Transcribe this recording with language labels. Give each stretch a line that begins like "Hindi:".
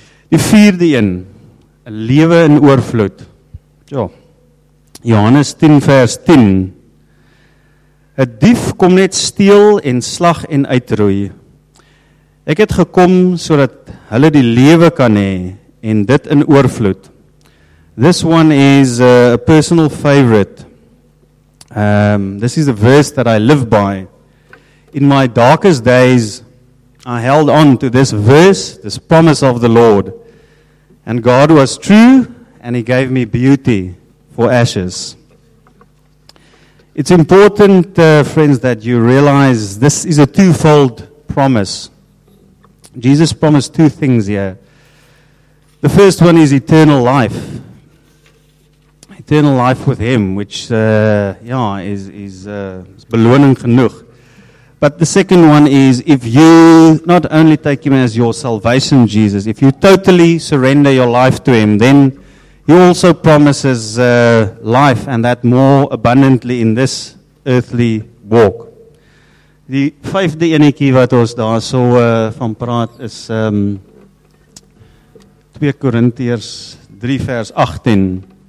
Afrikaans: Die vierde een, 'n lewe in oorvloed. Ja. Johannes 10 vers 10. 'N dief kom net steel en slag en uitroei. Ek het gekom sodat hulle die lewe kan hê en dit in oorvloed.
English: This one is a personal favorite. This is a verse that I live by. In my darkest days, I held on to this verse, this promise of the Lord. And God was true, and He gave me beauty for ashes. It's important, friends, that you realize this is a twofold promise. Jesus promised two things here. The first one is eternal life. Eternal life with Him, which is
Afrikaans: beloning genoeg.
English: But the second one is, if you not only take Him as your salvation, Jesus, if you totally surrender your life to Him, then He also promises life, and that more abundantly in this earthly walk.
Afrikaans: Die vyfde enetjie wat ons daar so van praat is 2 Korintiërs 3 vers 18.